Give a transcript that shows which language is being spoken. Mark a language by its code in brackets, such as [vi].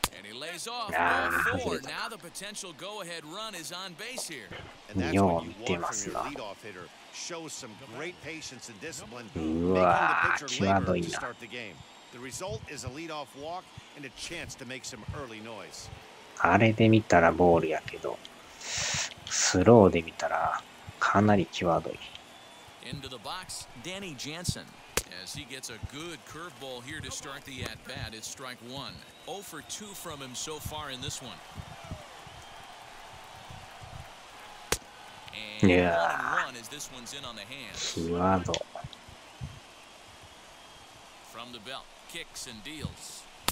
[en] Lays off four. Now the potential go-ahead run is on base here. And that's what you want from your leadoff hitter. Shows some great patience and discipline, making the pitcher later to start the game. The result is a leadoff walk and a chance to make some early noise. [ja] あれで見たらボールやけど、スローで見たらかなり際どい。 [en] Into the box, Danny Jansen. As he gets a good curveball here to start the at-bat, it's strike one. 0 for 2 from him so far in this one. And one as this one's in on the hands. From the belt, kicks and deals.